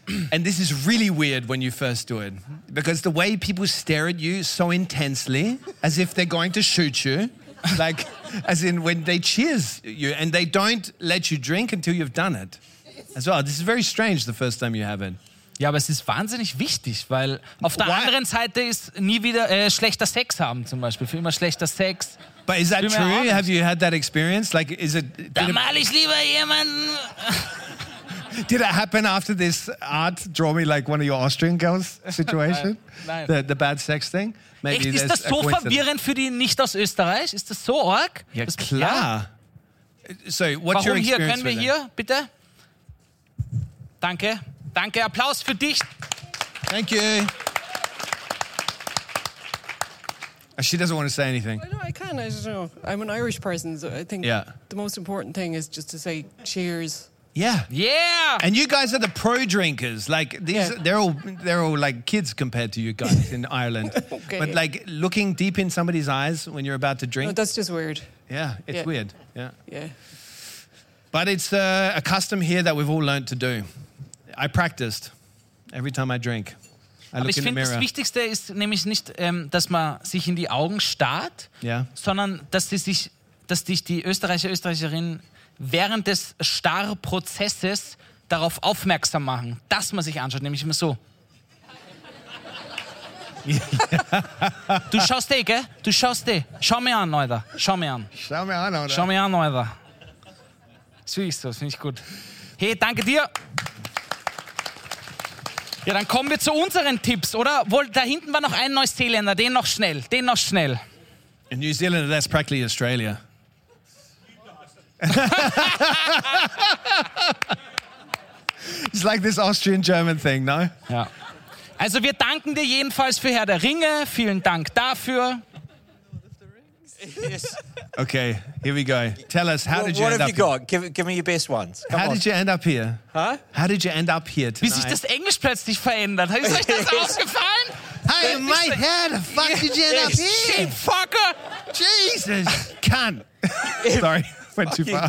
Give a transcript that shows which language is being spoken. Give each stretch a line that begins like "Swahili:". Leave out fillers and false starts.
English: And this is really weird when you first do it. Because the way people stare at you so intensely, as if they're going to shoot you, like as in when they cheers you and they don't let you drink until you've done it as well. This is very strange the first time you have it.
German: Ja, aber es ist wahnsinnig wichtig, weil auf der anderen Seite ist nie wieder schlechter Sex haben zum Beispiel, für immer schlechter Sex.
English: But is that true? Have you had that experience? Like, is it?
German: Da mal ich lieber jemanden.
English: Did it happen after this art draw me like one of your Austrian girls situation?
German: Nein.
English: The bad sex thing? Maybe
German: echt, ist das so verwirrend für die nicht aus Österreich? Ist das so arg? Ja, das, klar. Ja.
English: So, what's
German: warum hier? Können wir hier, bitte? Danke. Danke, Applaus für dich.
English: Thank you. She doesn't want to say anything. No, I can. I just know. I'm an Irish person, so I think the most important thing is just to say cheers. Yeah. Yeah. And you guys are the pro drinkers. Like these they're all like kids compared to you guys in Ireland. Okay. But like looking deep in somebody's eyes when you're about to drink. No, that's just weird. Yeah, it's weird. Yeah. Yeah. But it's a custom here that we've all learned to do. I practiced every time I drink.
German: Aber ich finde, das Wichtigste ist nämlich nicht, dass man sich in die Augen starrt, sondern dass sie sich, dass dich die Österreicher, Österreicherinnen während des Starrprozesses darauf aufmerksam machen, dass man sich anschaut, nämlich immer so. Ja. Du schaust eh, gell? Du schaust eh. Schau mir an, Alter. Schau mir an. Schau mir an, Alter. Schau mir an, Alter. Süß, das finde ich gut. Hey, danke dir. Ja, dann kommen wir zu unseren Tipps, oder? Wohl, da hinten war noch ein Neuseeländer, den noch schnell, den noch schnell.
English: In New Zealand, that's practically Australia. It's like this Austrian-German thing, no?
German: Ja. Also wir danken dir jedenfalls für Herr der Ringe, vielen Dank dafür.
English: Okay, here we go. Tell us, how did you end up here? What have you got? Give me your best ones. Come how on. Did you end up here? Huh? How did you end up here tonight?
German: Wie sich das Englisch plötzlich verändert. Ist euch das aufgefallen?
English: Hey, mate, how the fuck did you end up here? Sheep fucker! Jesus! Cunt! Sorry, went too far.